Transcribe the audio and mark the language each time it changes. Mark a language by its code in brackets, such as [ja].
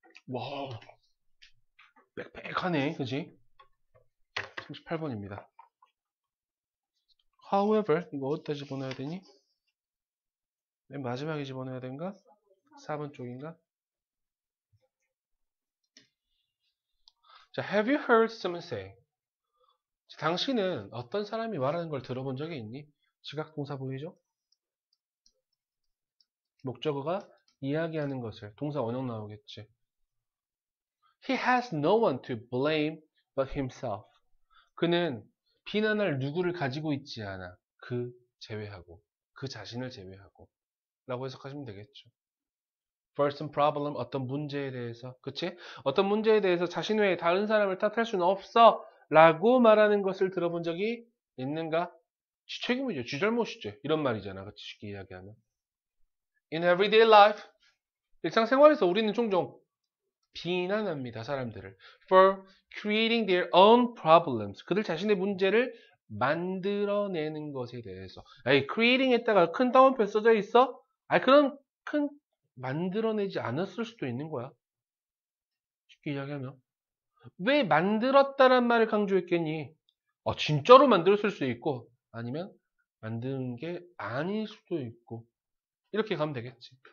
[ko] 와, 빽빽하네, 그지? 38번입니다. However, 이거 어디다 집어넣어야 되니? 맨 마지막에 집어넣어야 된가? 4번 쪽인가? [en] 자, have you heard someone say? [ko] 당신은 어떤 사람이 말하는 걸 들어본 적이 있니? 지각동사 보이죠? 목적어가 이야기하는 것을, 동사 원형 나오겠지. [en] He has no one to blame but himself. [ko] 그는 비난할 누구를 가지고 있지 않아. 그 제외하고, 그 자신을 제외하고. 라고 해석하시면 되겠죠. [en] For some problem, [ko] 어떤 문제에 대해서, 그치? 어떤 문제에 대해서 자신 외에 다른 사람을 탓할 수는 없어. 라고 말하는 것을 들어본 적이 있는가? 지 책임이죠. 지 잘못이죠. 이런 말이잖아. 그치? 쉽게 이야기하면. [en] In everyday life, [ko] 일상생활에서 우리는 종종 비난합니다, 사람들을. [en] For creating their own problems. [ko] 그들 자신의 문제를 만들어내는 것에 대해서. 에이, creating 했다가 큰 따옴표 써져 있어? 아, 그런 큰, 만들어내지 않았을 수도 있는 거야. 쉽게 이야기하면. 왜 만들었다란 말을 강조했겠니? 아, 진짜로 만들었을 수 있고, 아니면 만든 게 아닐 수도 있고. 이렇게 가면 되겠지.